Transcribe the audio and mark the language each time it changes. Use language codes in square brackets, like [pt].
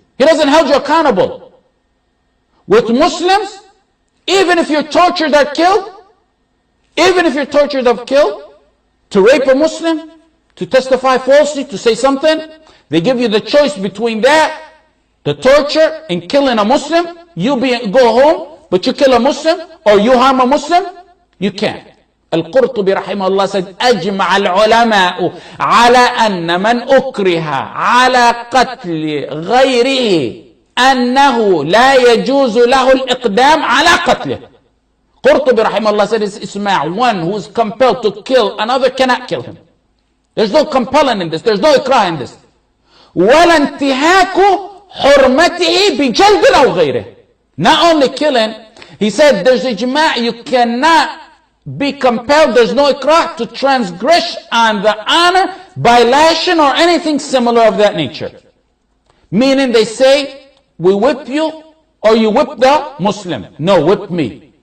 [en] He doesn't hold you accountable. With Muslims, even if you're tortured or killed, even if you're tortured or killed, to rape a Muslim, to testify falsely, to say something, they give you the choice between that, the torture, and killing a Muslim. Go home, but you kill a Muslim, or you harm a Muslim, you can't. [ar] Al-Qurtubi رحمه الله said, أجمع العلماء على أن من أكره على قتل غيره أنه لا يجوز له الإقدام على قتله. [en] Qurtubi رحمه الله said, Ismail, one who is compelled to kill another cannot kill him. There's no compelling in this. There's no ikrah in this. [ar] ولا انتهاك حرمته بجلد أو غيره. [en] Not only killing, he said, there's اجماع, you cannot be compelled, there's no ikrah, to transgress on the honor by lashing or anything similar of that nature. Meaning they say, we whip you or you whip the Muslim. No, whip me.